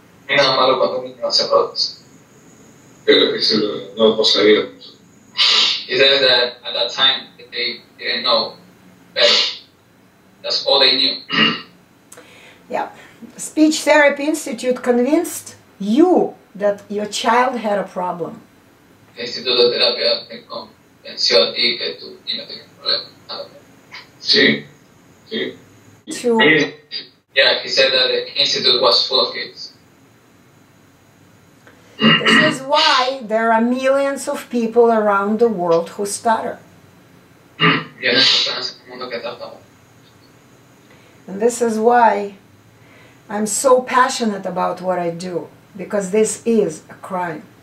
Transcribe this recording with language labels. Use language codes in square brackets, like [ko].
[en] He says that at that time they didn't know better. That's all they knew. Yeah. Speech Therapy Institute convinced you that your child had a problem. [es] Instituto de Terapia convenció a ti que tu niño tenía un problema. [en] He said that the institute was full of kids. This is why there are millions of people around the world who stutter. And this is why I'm so passionate about what I do, because this is a crime.